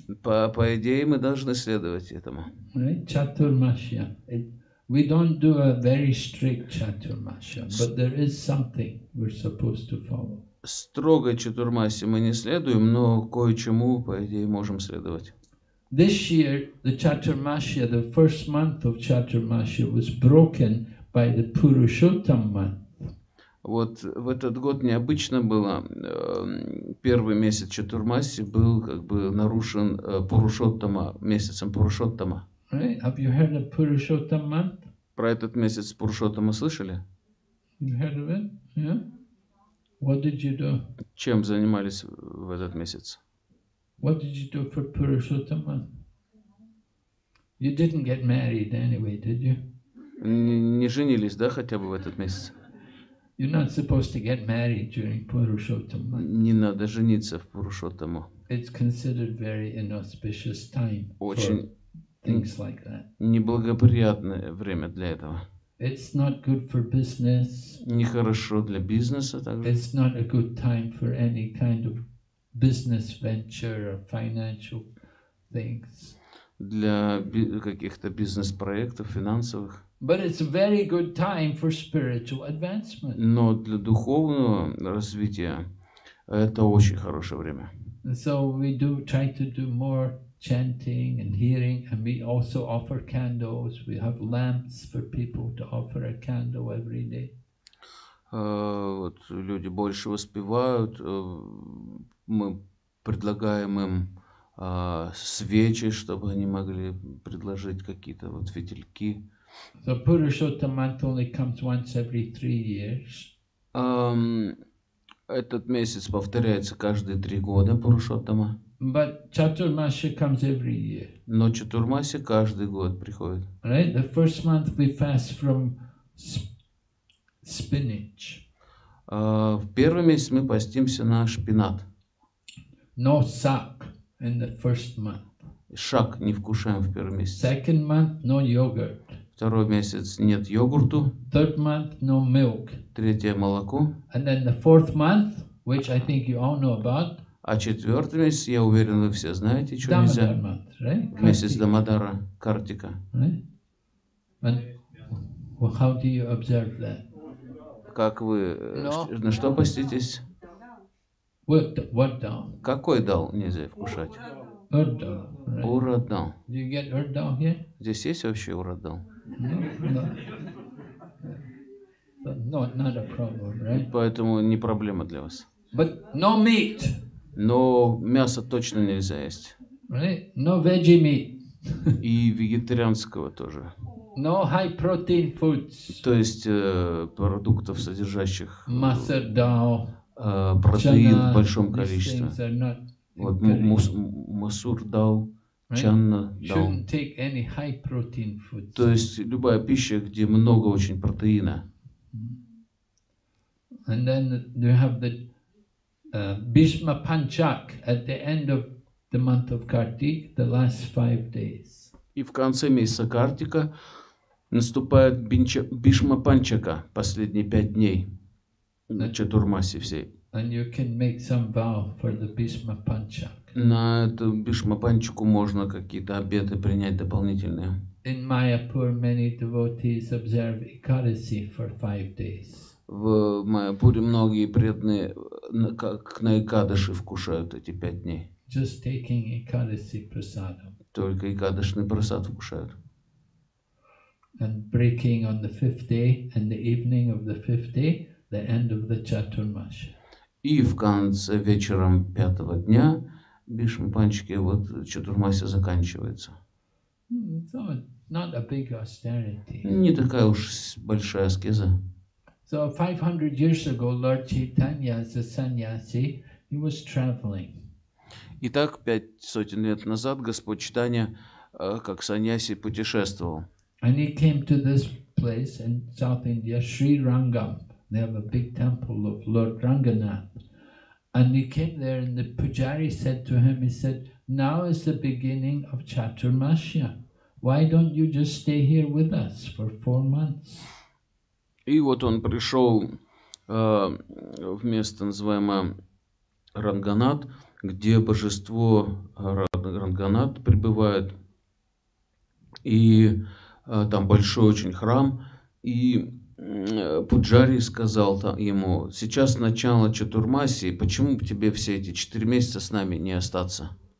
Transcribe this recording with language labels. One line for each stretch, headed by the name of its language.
Russian: По идее, мы должны следовать этому.
English: Right? Chaturmasya. We don't do a very strict Chaturmasya, but there is something we're supposed to follow.
Russian: Строго Чатурмасе мы не следуем, но кое-чему, по идее, можем следовать.
English: This year, the Chaturmasya, the first month of Chaturmasya, was broken by the Purushottam month.
Russian: Вот в этот год необычно было. Первый месяц Чатурмаси был как бы нарушен Пурушоттама, месяцем Пурушоттама.
English: Right. Have you heard of Purushottam month?
Russian: Про этот месяц Пурушоттама слышали?
English: You heard of it? Yeah. What did you do?
Russian: Чем занимались в этот месяц?
English: What did you do for Purushottam month? You didn't get married anyway, did you?
Russian: Не женились, да, хотя бы в этот месяц?
English: You're not supposed to get married during Purushottam month.
Russian: Не надо жениться в Пурушоттаму.
English: It's considered very inauspicious time.
Russian: Очень
English: things like that.
Russian: Неблагоприятное время для этого.
English: It's not good for business.
Russian: Нехорошо для бизнеса также.
English: It's not a good time for any kind of business venture or financial things.
Russian: Для каких-то бизнес-проектов финансовых.
English: But it's a very good time for spiritual advancement.
Russian: Но для духовного развития это очень хорошее время.
English: And so we do try to do more chanting and hearing, and we also offer candles. We have lamps for people to offer a candle every day.
Russian: Вот люди больше воспевают, мы предлагаем им свечи, чтобы они могли предложить какие-то вот фитильки.
English: So Purushottam month only comes once every 3 years.
Russian: Этот месяц повторяется каждые 3 года Пурушоттама.
English: But Chaturmasya comes every year.
Russian: Но Чатурмаси каждый год приходит.
English: Right? The first month we fast from spinach.
Russian: В первый месяц мы постимся на шпинат.
English: No sack in the first month.
Russian: Шак не вкушаем в первый месяц.
English: Second month no yogurt.
Russian: Второй месяц нет йогурту.
English: Third month, no milk.
Russian: Третье молоко.
English: And then the fourth month, which I think you all know about.
Russian: А четвертый месяц, я уверен, вы все знаете, что Дамодар нельзя.
English: Month, right?
Russian: Месяц Дамодара, Картика.
English: Right? And how do you observe that?
Russian: Как вы,
English: no.
Russian: На что поститесь?
English: What dal?
Russian: Какой дал нельзя вкушать?
English: Урдал. Right? Do you get Урдал here?
Russian: Здесь есть вообще Урдал?
English: No, no. Not a problem, right?
Russian: Поэтому не проблема для вас.
English: But no meat.
Russian: Но мясо точно нельзя есть.
English: Right? No veggie meat.
Russian: И вегетарианского тоже.
English: No high protein foods.
Russian: То есть продуктов, содержащих
English: Masoor dal,
Russian: протеин в большом количестве.
English: These things are not
Russian: вот мусур дал,
English: right?
Russian: Чанна дал.
English: Shouldn't take any high protein foods.
Russian: То есть любая пища, где много очень протеина.
English: And then you have the Bhishma Panchak at the end of the month of Kartik, the last 5 days.
Russian: И в конце месяца Картика наступает Бишма Панчака, последние 5 дней на Чатурмасе всей.
English: And you can make some vow for the Bhishma Panchak.
Russian: На эту Бишма Панчаку можно какие-то обеты принять дополнительные.
English: In Mayapur, many devotees observe Ekadasi for 5 days.
Russian: В Майяпуре многие преданные как на Экадаши вкушают эти 5 дней.
English: Just taking Ekadasi prasadam.
Russian: Только Экадашный прасад вкушают.
English: And breaking on the 5th day and the evening of the 5th day, the end of the Chaturmasya.
Russian: И в конце вечером 5-го дня Бишма Панчаки, вот Чатурмасия заканчивается. So not a big austerity. Не такая уж большая аскеза.
English: So 500 years ago, Lord Chaitanya as a sannyasi, he was traveling.
Russian: Итак, 500 лет назад Господь Чайтанья как саньяси путешествовал.
English: And he came to this place in South India, Sri Rangam. They have a big temple of Lord Ranganath. And he came there, and the pujari said to him, he said, now is the beginning of Chaturmasya. Why don't you just stay here with us for 4 months?
Russian: И вот он пришел в место, называемое Ранганат, где божество Ранганат пребывает. И там большой очень храм. И пуджари сказал ему, сейчас начало Чатурмасии, почему бы тебе все эти 4 месяца с нами не остаться?